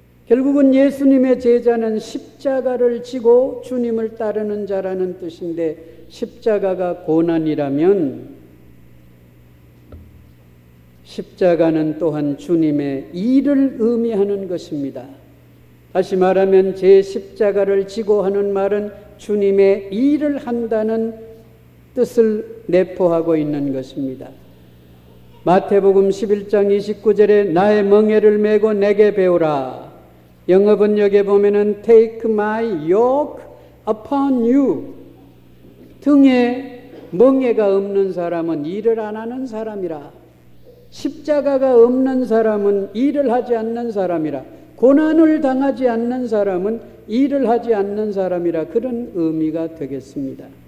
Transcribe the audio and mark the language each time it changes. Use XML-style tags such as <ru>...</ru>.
<ko>결국은 예수님의 제자는 십자가를 지고 주님을 따르는 자라는 뜻인데 십자가가 고난이라면 십자가는 또한 주님의 일을 의미하는 것입니다. 다시 말하면 제 십자가를 지고 하는 말은 주님의 일을 한다는 뜻을 내포하고 있는 것입니다. 마태복음 11장 29절에 나의 멍에를 메고 내게 배우라. 영어 번역에 보면은</ko> <en>Take my yoke upon you.</en> <ko>등에 멍에가 없는 사람은 일을 안 하는 사람이라. 십자가가 없는 사람은 일을 하지 않는 사람이라. 고난을 당하지 않는 사람은 일을 하지 않는 사람이라 그런 의미가 되겠습니다.</ko>